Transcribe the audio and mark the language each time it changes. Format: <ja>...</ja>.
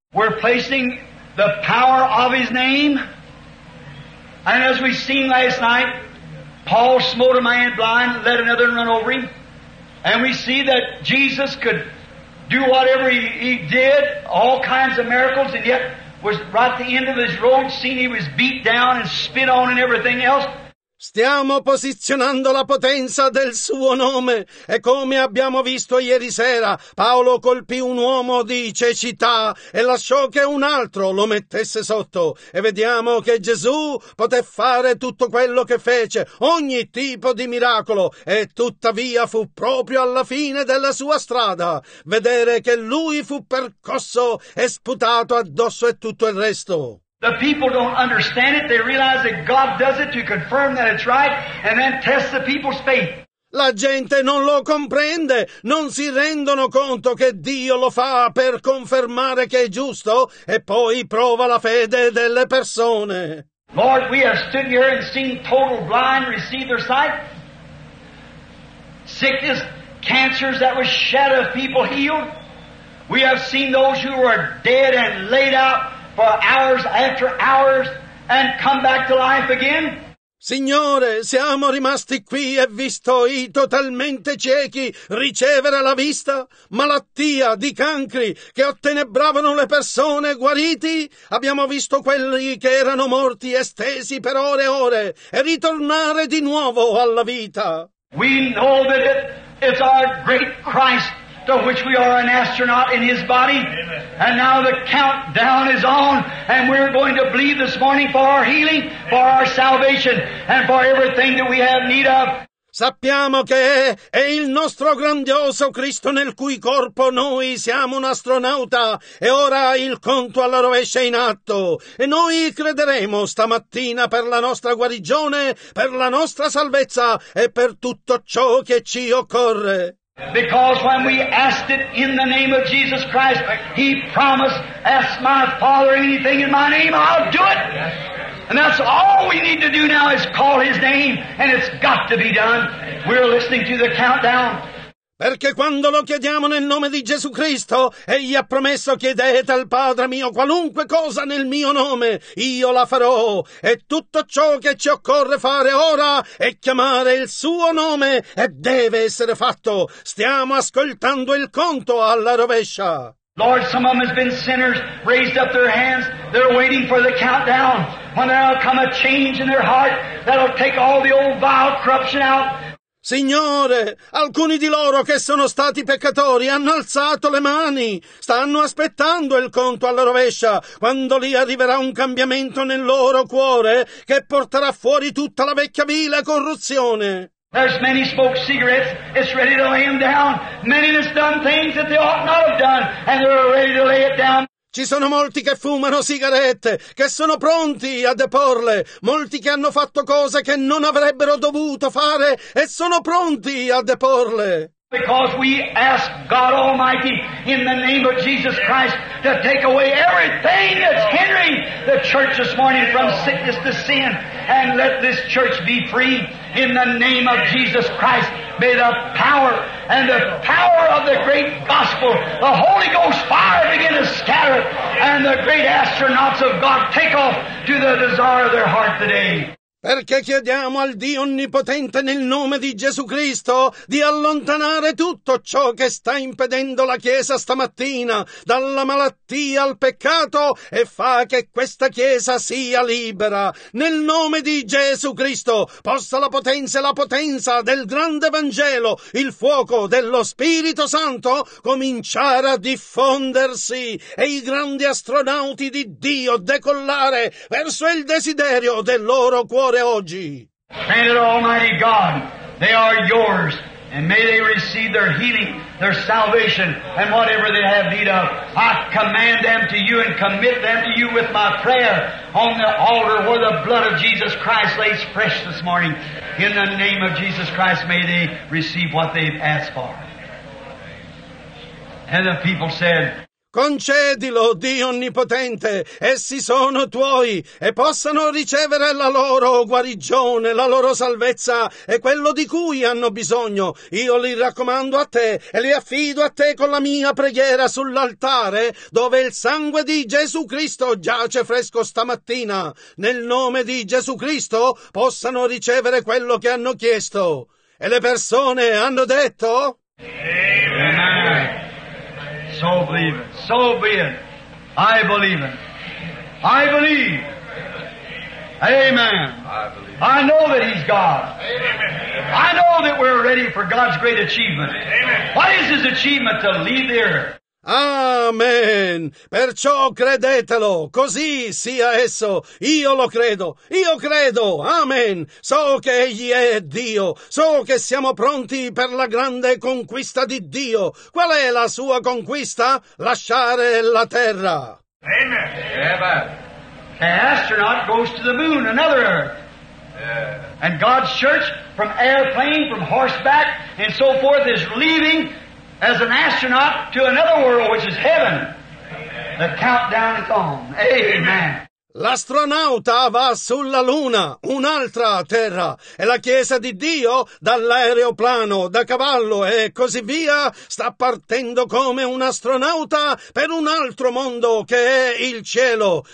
<en>We're placing the power of his name. And as we seen last night, Paul smote a man blind, let another run over him. And we see that Jesus could do whatever he did, all kinds of miracles, and yet was right at the end of his road, seen he was beat down and spit on and everything else.</en> <it>Stiamo posizionando la potenza del suo nome e come abbiamo visto ieri sera, Paolo colpì un uomo di cecità e lasciò che un altro lo mettesse sotto. E vediamo che Gesù poté fare tutto quello che fece, ogni tipo di miracolo, e tuttavia fu proprio alla fine della sua strada vedere che lui fu percosso e sputato addosso e tutto il resto.</it> <en>The people don't understand it. They realize that God does it to confirm that it's right and then test the people's faith.</en> <it>La gente non lo comprende. Non si rendono conto che Dio lo fa per confermare che è giusto e poi prova la fede delle persone.</it> <en>Lord, we have stood here and seen total blind receive their sight. Sickness, cancers that was shadow of people healed. We have seen those who were dead and laid out for hours after hours and come back to life again.</en> <it>Signore, siamo rimasti qui e visto i totalmente ciechi ricevere la vista, malattia di cancri che ottenebravano le persone guariti. Abbiamo visto quelli che erano morti estesi per ore e ore e ritornare di nuovo alla vita.</it> <en>We know that it's our great Christ to which we are an astronaut in his body. Amen. And now the countdown is on and we're going to believe this morning for our healing, for our salvation and for everything that we have need of.</en> <it>Sappiamo che è il nostro grandioso Cristo nel cui corpo noi siamo un astronauta e ora il conto alla rovescia è in atto e noi crederemo stamattina per la nostra guarigione, per la nostra salvezza e per tutto ciò che ci occorre.</it> <en>Because when we asked it in the name of Jesus Christ, he promised, ask my Father anything in my name, I'll do it. And that's all we need to do now is call his name, and it's got to be done. We're listening to the countdown.</en> <it>Perché quando lo chiediamo nel nome di Gesù Cristo, egli ha promesso: chiedete al Padre mio qualunque cosa nel mio nome, io la farò. E tutto ciò che ci occorre fare ora è chiamare il suo nome e deve essere fatto. Stiamo ascoltando il conto alla rovescia.</it> <en>Lord, some of them have been sinners, raised up their hands, they're waiting for the countdown. When there'll come a change in their heart that'll take all the old vile corruption out.</en> <it>Signore, alcuni di loro che sono stati peccatori hanno alzato le mani, stanno aspettando il conto alla rovescia, quando lì arriverà un cambiamento nel loro cuore che porterà fuori tutta la vecchia vile corruzione.</it> <en>There's many smoke cigarettes, it's ready to lay them down. Many has done things that they ought not have done, and they're ready to lay it down.</en> <it>Ci sono molti che fumano sigarette, che sono pronti a deporle. Molti che hanno fatto cose che non avrebbero dovuto fare e sono pronti a deporle.</it> <en>Because we ask God Almighty in the name of Jesus Christ to take away everything that's hindering the church this morning from sickness to sin, and let this church be free in the name of Jesus Christ. May the power and the power of the great gospel, the Holy Ghost fire begin to scatter, and the great astronauts of God take off to the desire of their heart today.</en> <it>Perché chiediamo al Dio Onnipotente nel nome di Gesù Cristo di allontanare tutto ciò che sta impedendo la Chiesa stamattina, dalla malattia al peccato, e fa che questa Chiesa sia libera. Nel nome di Gesù Cristo, possa la potenza e la potenza del grande Vangelo, il fuoco dello Spirito Santo, cominciare a diffondersi e i grandi astronauti di Dio decollare verso il desiderio del loro cuore. Oggi.</it> <en>Grant it, Almighty God, they are yours, and may they receive their healing, their salvation, and whatever they have need of. I command them to you and commit them to you with my prayer on the altar where the blood of Jesus Christ lays fresh this morning. In the name of Jesus Christ, may they receive what they've asked for. And the people said,</en> <it>concedilo, Dio Onnipotente, essi sono tuoi e possano ricevere la loro guarigione, la loro salvezza e quello di cui hanno bisogno. Io li raccomando a te e li affido a te con la mia preghiera sull'altare dove il sangue di Gesù Cristo giace fresco stamattina. Nel nome di Gesù Cristo possano ricevere quello che hanno chiesto. E le persone hanno detto?</it> <en>So believe it. So be it. I believe it. I believe. Amen. I know that He's God. I know that we're ready for God's great achievement. What is His achievement to leave the earth? Amen.</en> <it>Perciò credetelo, così sia esso. Io lo credo, io credo. Amen. So che Egli è Dio, so che siamo pronti per la grande conquista di Dio. Qual è la sua conquista? Lasciare la terra. Amen.</it> <en>Yeah, an astronaut goes to the moon, another earth. Yeah. And God's church, from airplane, from horseback, and so forth, is leaving as an astronaut to another world, which is heaven. The countdown is on. Amen.</en> <it>L'astronauta va sulla luna, un'altra terra, e la Chiesa di Dio, dall'aeroplano, da cavallo e così via, sta partendo come un astronauta per un altro mondo che è il cielo.</it>